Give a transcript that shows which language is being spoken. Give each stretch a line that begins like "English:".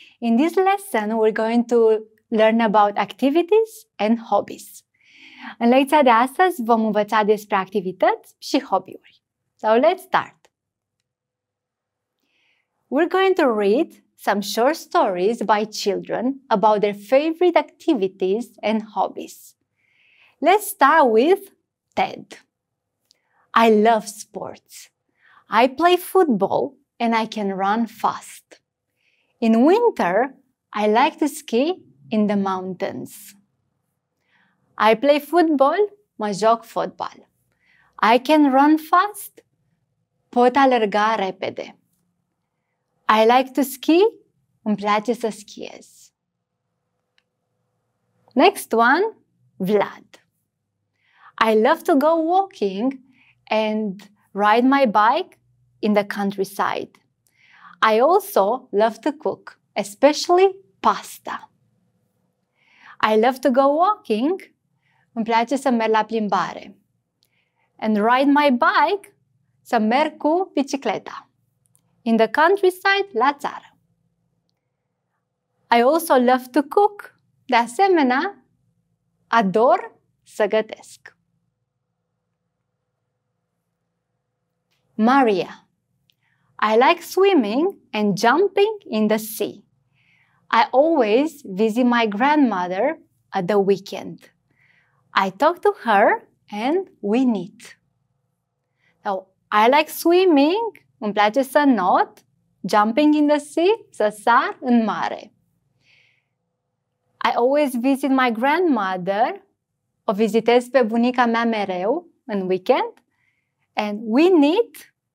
English: In this lesson, we're going to learn about activities and hobbies.
Romanian: În lecția de astăzi, vom învăța despre activități și hobby-uri.
English: So let's start! We're going to read some short stories by children about their favorite activities and hobbies. Let's start with Ted. I love sports. I play football and I can run fast. In winter, I like to ski in the mountains. I play football,
Romanian: mă joc fotbal.
English: I can run fast,
Romanian: pot alerga repede.
English: I like to ski,
Romanian: îmi place să skiez.
English: Next one, Vlad. I love to go walking and ride my bike in the countryside. I also love to cook, especially pasta. I love to go walking.
Romanian: Îmi place să merg la plimbare.
English: And ride my bike,
Romanian: să merg cu bicicleta.
English: In the countryside,
Romanian: la țară.
English: I also love to cook.
Romanian: De asemenea, ador să gătesc.
English: Maria. I like swimming and jumping in the sea. I always visit my grandmother at the weekend. I talk to her and we knit. So, I like swimming,
Romanian: îmi place să not,
English: jumping in the sea,
Romanian: să sar în mare.
English: I always visit my grandmother,
Romanian: o vizitez pe bunica mea mereu în weekend,
English: and we knit.